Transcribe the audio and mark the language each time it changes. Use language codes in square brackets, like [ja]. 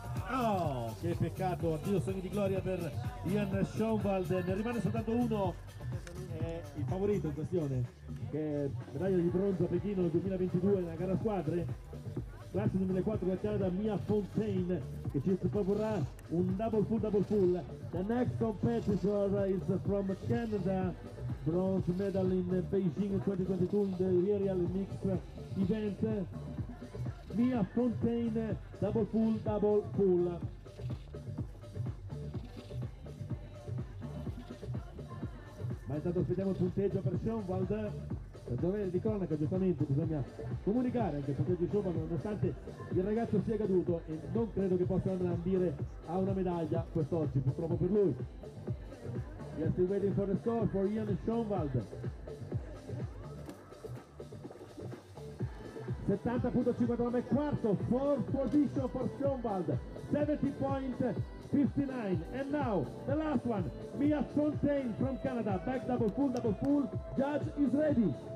[it] Oh, che peccato, addio sogni di gloria per Ian Schoenwald, ne rimane soltanto uno, è il favorito in questione, che è medaglia di bronzo a Pechino 2022 nella gara squadre, classe 2004 della Canada, Mia Fontaine, che ci proporrà un double full. [en] The next competitor is from Canada, bronze medal in Beijing 2022 in the aerial mix event, Mia Fontaine, double full. [it] Ma intanto aspettiamo il punteggio per Schoenwald, per dovere di cronaca giustamente bisogna comunicare anche il punteggio di Schoenwald, nonostante il ragazzo sia caduto e non credo che possa andare a ambire a una medaglia quest'oggi, purtroppo per lui. [en] We are still waiting for the score for Ian Schoenwald. 70.59 [it] e quarto, [en] fourth position for Schoenwald, 70.59. And now, the last one, Mia Fontaine from Canada, back double full, judge is ready.